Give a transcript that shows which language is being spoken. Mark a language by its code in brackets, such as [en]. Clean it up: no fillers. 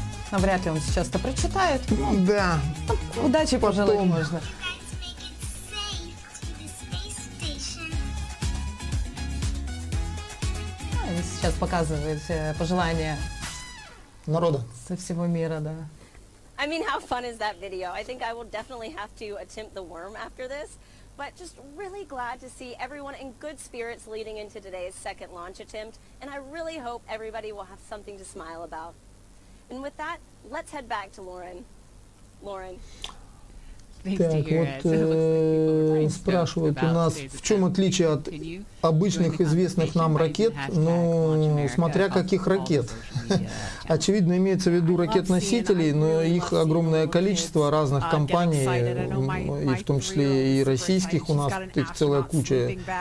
[ru] Но вряд ли он сейчас это прочитает. Да. Удачи пожелать можно. Он сейчас показывает пожелания. Народа. Со всего мира, да. [en] I mean, how fun is that video? I think I will definitely have to attempt the worm after this. But just really glad to see everyone in good spirits leading into today's second launch attempt. And I really hope everybody will have something to smile about. And with that, let's head back to Lauren. [ru] Лорен. Так, вот спрашивают у нас, в чем отличие от обычных известных нам ракет, ну, смотря каких ракет. Очевидно, имеется в виду ракет-носители, но их огромное количество разных компаний, и в том числе и российских у нас, их целая куча.